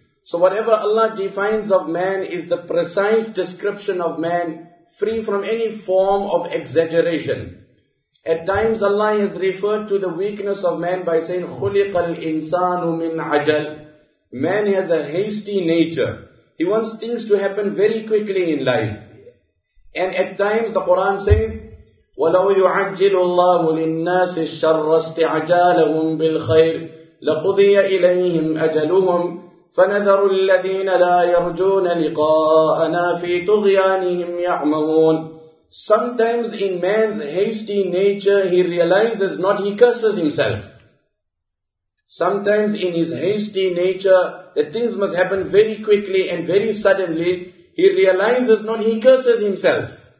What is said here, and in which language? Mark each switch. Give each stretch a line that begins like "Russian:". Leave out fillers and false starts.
English: So whatever Allah defines of man is the precise description of man, free from any form of exaggeration. At times Allah has referred to the weakness of man by saying,
Arabic: خُلِقَ الْإِنسَانُ مِنْ عَجَلٍ.
English: Man has a hasty nature. He wants things to happen very quickly in life. And at times the Quran says,
Arabic: وَلَوْ يُعَجِّلُ اللَّهُ لِلنَّاسِ الشَّرَّ اسْتِعَجَالَهُمْ بِالْخَيْرِ لَقُضِيَ إِلَيْهِمْ أَجَلُهُمْ فَنَذَرُ الَّذِينَ لَا يَرْجُونَ لِقَاءَنَا فِي طُغْيَانِهِمْ يَعْمَهُونَ.
English: Sometimes in man's hasty nature, he realizes not, he curses himself. Sometimes in his hasty nature, that things must happen very quickly and very suddenly, he realizes not, he curses himself.